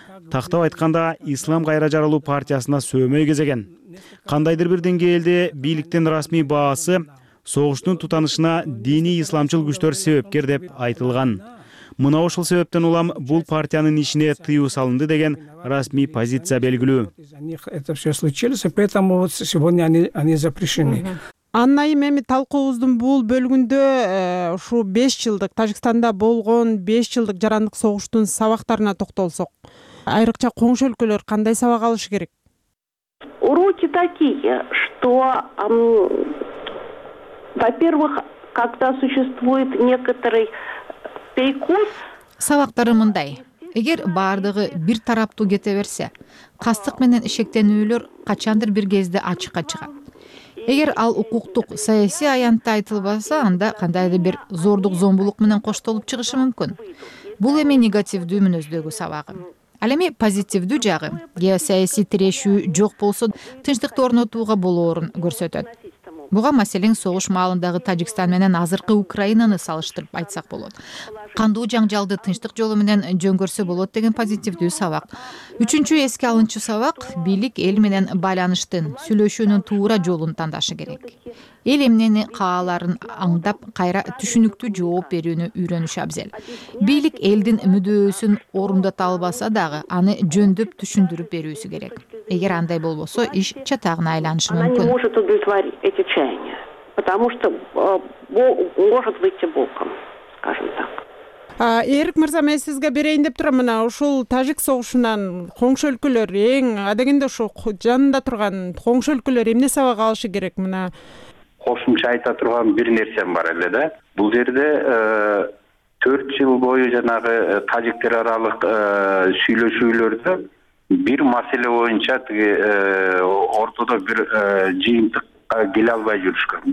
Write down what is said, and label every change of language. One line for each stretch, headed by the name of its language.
Kyrgyz: Тактап айтканда, Ислам кайра жаралуу партиясына сөөмөй кезеген. Кандайдыр бир деңгээлде бийликтин расмий баасы согуштун тутанышына диний исламчыл күчтөр себепкер деп айтылган. Мына ошол себептен улам бул партиянын ишине тыюу салынды деген расмий позиция белгилүү.
Russian: Это все случилось, поэтому вот сегодня они запрещены.
Kyrgyz: Аннайым, эми талкуубуздун бул бөлүгүндө ушу 5 жылдык Тажикстанда болгон 5 жылдык жарандык согуштун сабактарына токтолсок, айрыкча коңшу өлкөлөр кандай сабак алышы керек?
Russian: Уроки такие, что во-первых, когда существует некоторый перекос.
Kyrgyz: Сабактары мындай. Эгер баардыгы бир тараптуу кете берсе, кастык менен ишектенүүлөр качандыр бир кезде ачыкка чыгат. Эгер ал укуктук саясий аянтта айтылбаса, анда кандайдыр бир зордук-зомбулук менен коштолуп чыгышы мүмкүн. Бул эми негативдүү мүнөздөгү сабагы. Ал эми позитивдүү жагы. Геосаясий тирешүү жок болсо, тынчтыкты орнотууга болоорун көрсөтөт. Буга маселең согуш маалындагы Тажикстан менен азыркы Украинаны салыштырып айтсак болот. Кандуу жаңжалды тынчтык жолу менен жөнгөрсө болот деген позитивдүү сабак. Үчүнчү эске алынчу сабак бийлик эл менен байланыштын, сүйлөшүүнүн туура жолун тандашы керек. Эл эмнени кааларын аңдап, кайра түшүнүктүү жооп берүүнү үйрөнүшү абзел. Бийлик элдин мүдөөсүн орундата албаса дагы, аны жөндөп түшүндүрүп берүүсү керек. Эгер андай болбосо, иш чатагына айланышы мүмкүн.
Russian: Она не может удовлетворить эти чаяния, потому что может выйти боком, скажем так.
Kyrgyz: Эрик Мырза, мен сизге берейин деп турам, мына ушул тажик согушунан коңшу өлкөлөр эң адегенде ушул жанында турган коңшу өлкөлөр эмне сабак алышы керек? Мына кошумча айта турган бир нерсем бар эле да. Бул жерде 4 жыл бою жанагы тажиктер аралык сүйлөшүүлөрдө бир маселе боюнча тиги ортодо бир жыйынтыкка келе албай жүрүшкөн.